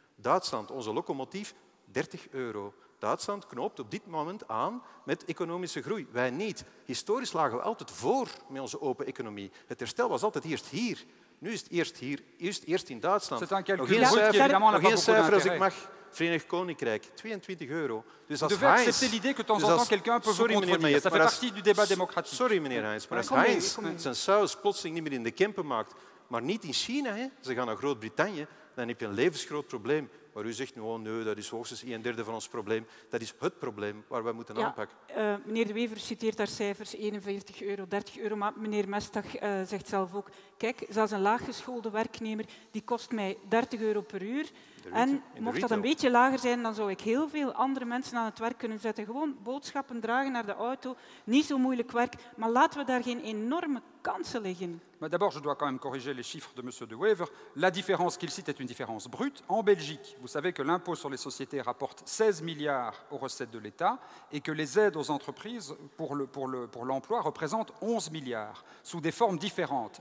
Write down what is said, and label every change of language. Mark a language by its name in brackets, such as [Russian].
[Dutch] Duitsland, onze locomotief, 30 euro. Duitsland knoopt op dit moment aan met economische groei. Wij niet. Historisch lagen we altijd voor met onze open economie. Het herstel was altijd eerst hier. Nu is het eerst hier, eerst in Duitsland. Nog geen cijfer, als ik mag. Verenigd Koninkrijk, 22 euro. Dus als de Heinz... [French] De accepteert l'idée que de temps en temps quelqu'un peut vous contredire. Ça fait partie du débat démocratique. [Dutch] Sorry, meneer Heinz, maar als Heinz zijn saus plotseling niet meer in de Kempen maakt, maar niet in China, hè. Ze gaan naar Groot-Brittannië, dan heb je een levensgroot probleem. Maar u zegt, oh nee, dat is hoogstens 1/3 van ons probleem. Dat is het probleem waar we moeten aanpakken. Meneer De Wever citeert daar cijfers, 41 euro, 30 euro. Maar meneer Mestag zegt zelf ook, kijk, zelfs een laaggeschoolde werknemer, die kost mij 30 euro per uur. En mocht dat een beetje lager zijn, dan zou ik heel veel andere mensen aan het werk kunnen zetten. Gewoon boodschappen dragen naar de auto, niet zo moeilijk werk. Maar laten we daar geen enorme kansen liggen. [French] Maar d'abord, je dois quand même corriger les chiffres de monsieur De Wever. La différence qu'il cite est une différence brute. En Belgique, vous savez que l'impôt sur les sociétés rapporte 16 milliards aux recettes de l'État et que les aides aux entreprises pour l'emploi représentent 11 milliards sous des formes différentes.